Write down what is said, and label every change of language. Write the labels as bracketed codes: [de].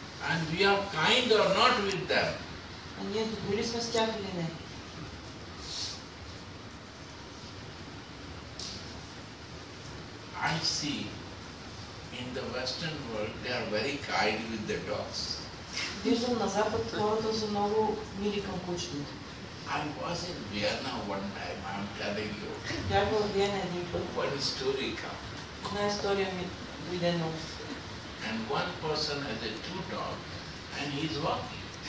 [en] And we are kind or not with them. [bg] А ние добри сме с тях или не? [en] I see in the Western world they are very kind with the dogs. [bg] Виждам на Запад хората са много мили към кучетата. [en] I was in Vienna one time, I'm telling you. [bg] Бях във Виена един път. [en] One story come. [bg] Една история ми дойде нов. [en] And one person has a two dog and he's walking.